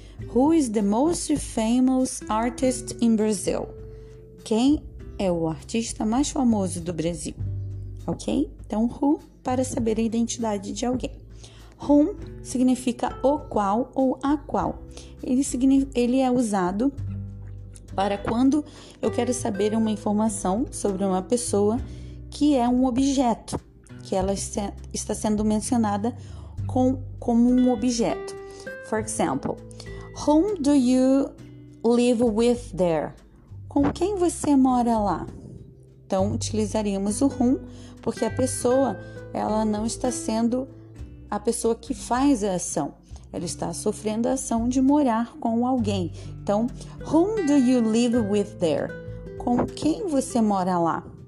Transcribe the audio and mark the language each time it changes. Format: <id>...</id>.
<en>Who is the most famous artist in Brazil?</en> <pt>Quem é o artista mais famoso do Brasil? Ok? Então, who para saber a identidade de alguém. Whom significa o qual ou a qual. Ele é usado para quando eu quero saber uma informação sobre uma pessoa que é um objeto, que ela está sendo mencionada como um objeto.</pt> <en>For example, whom do you live with there?</en> <pt>Com quem você mora lá? Então, utilizaríamos o whom, porque a pessoa, ela não está sendo a pessoa que faz a ação. Ela está sofrendo a ação de morar com alguém. Então,</pt> <en>whom do you live with there?</en> <pt>Com quem você mora lá?</pt>